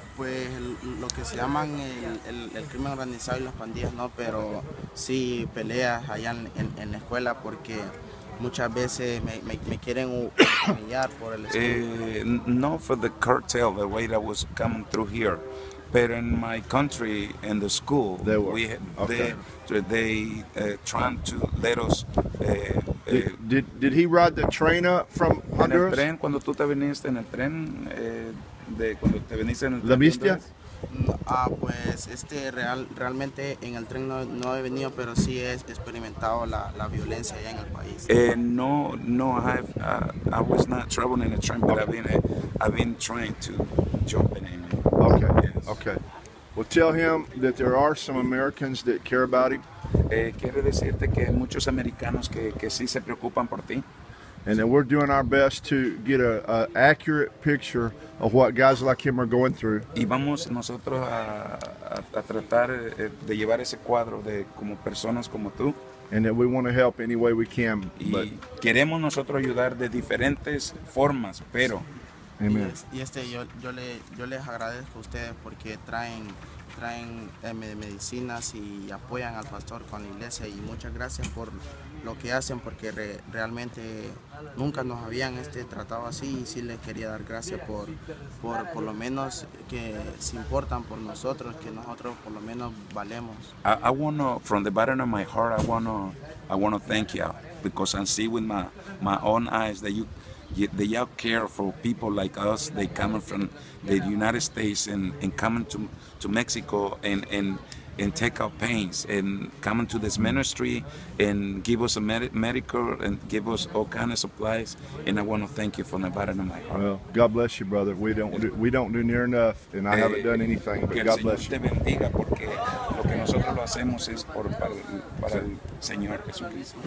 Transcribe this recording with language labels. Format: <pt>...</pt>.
<es>Pues lo que se llaman el crimen organizado y las pandillas, no, pero sí peleas allá en la escuela porque muchas veces me quieren humillar por el estudio.</es> <en>No for the cartel, the way that was coming through here, but in my country, in the school, trying to let us. Did he ride the train up from Honduras?</en> <es>En el tren, cuando tú te viniste en el tren. ¿La bestia? Pues realmente en el tren no he venido, pero sí he experimentado la violencia allá en el país.</es> <en>I was not traveling in a train, but I've been trying to jump in. Okay, yes. Okay. Well, tell him that there are some Americans that care about him.</en> <es>Quiere decirte que hay muchos americanos que sí se preocupan por ti.</es> <en>And then we're doing our best to get a accurate picture of what guys like him are going through.</en> <es>Y vamos nosotros a tratar de llevar ese cuadro de como personas como tú.</es> <en>And that we want to help any way we can.</en> <es>Y queremos nosotros ayudar de diferentes formas, pero.</es> <en>Amen.</en> <es>Y yo les agradezco a ustedes porque traen medicinas y apoyan al pastor con la iglesia y muchas gracias por lo que hacen porque realmente nunca nos habían tratado así y sí les quería dar gracias por lo menos que se importan por nosotros, que nosotros por lo menos valemos.</es> <en>I want to, from the bottom of my heart, I want to thank you because I see with my own eyes that y'all care for people like us. They come from the United States and coming to Mexico and take our pains and coming to this ministry and give us a medical and give us all kind of supplies. And I want to thank you from the bottom of my heart. Well, God bless you, brother. We don't do near enough, and I haven't done anything, but God bless you.</en> <es>Que el Señor te bendiga porque lo que nosotros lo hacemos es para el Señor Jesucristo.</es>